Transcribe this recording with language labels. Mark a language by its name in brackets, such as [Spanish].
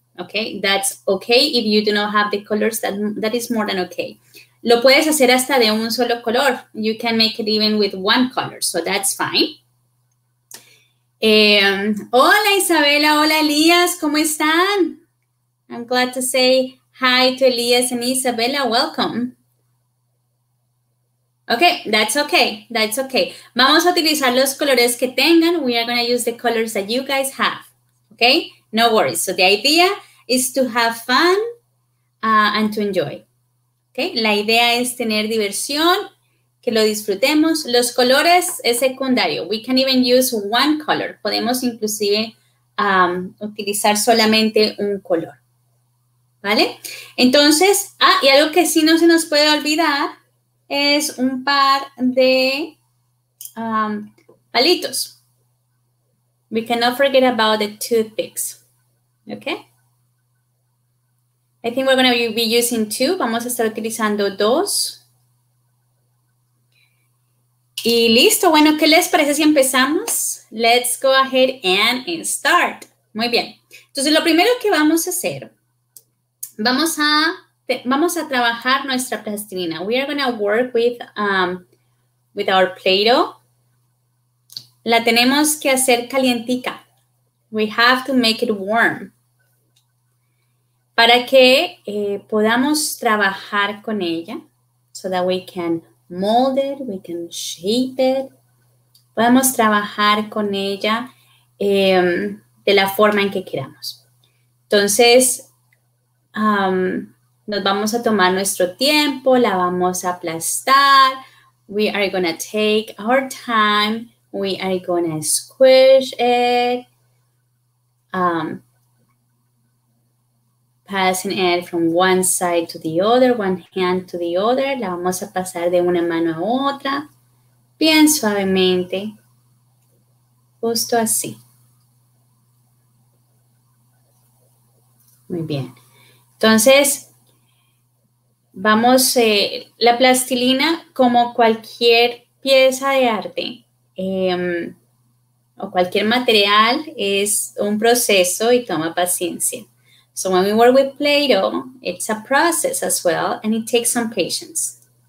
[English] Okay, that's okay if you do not have the colors, that is more than okay. [Spanish] Lo puedes hacer hasta de un solo color. [English] You can make it even with one color, so that's fine. [Spanish] Hola Isabela, hola Elías, ¿cómo están? [English] I'm glad to say hi to Elías and Isabela, welcome. Okay, that's okay, that's okay. [Spanish] Vamos a utilizar los colores que tengan. [English] We are going to use the colors that you guys have, okay? No worries. So the idea is to have fun and to enjoy. Okay? [Spanish] La idea es tener diversión, que lo disfrutemos. Los colores es secundario. [English] We can even use one color. [Spanish] Podemos inclusive utilizar solamente un color. ¿Vale? Entonces, y algo que sí no se nos puede olvidar es un par de palitos. [English] We cannot forget about the toothpicks. Okay. I think we're going to be using two. [Spanish] Vamos a estar utilizando dos. Y listo. Bueno, ¿qué les parece si empezamos? [English] Let's go ahead and start. [Spanish] Muy bien. Entonces, lo primero que vamos a hacer, vamos a trabajar nuestra plastilina. [English] We are going to work with our Play-Doh. [Spanish] La tenemos que hacer calientica. [English] We have to make it warm. [Spanish] Para que podamos trabajar con ella, [English] so that we can mold it, we can shape it. [Spanish] Podemos trabajar con ella de la forma en que queramos. Entonces, nos vamos a tomar nuestro tiempo, la vamos a aplastar. [English] We are going to take our time. We are going to squish it. Passing it from one side to the other, one hand to the other. [Spanish] La vamos a pasar de una mano a otra, bien suavemente, justo así. Muy bien. Entonces, vamos, la plastilina, como cualquier pieza de arte, o cualquier material, es un proceso y toma paciencia. [English] So when we work with Play-Doh, it's a process as well, and it takes some patience.